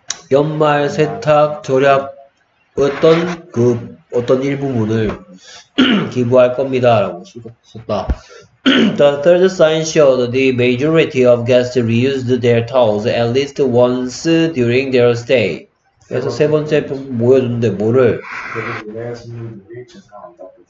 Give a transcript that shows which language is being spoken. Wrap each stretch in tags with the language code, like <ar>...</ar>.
<ko>연말 세탁 절약 어떤 그 어떤 일부분을 기부할 겁니다. 라고 썼다.</ko> <en>The third sign showed the majority of guests reused their towels at least once during their stay.</en> <ko>그래서 세 번째 모여줬는데 뭐를? 대부분의 손님들이 재사한다.</ko>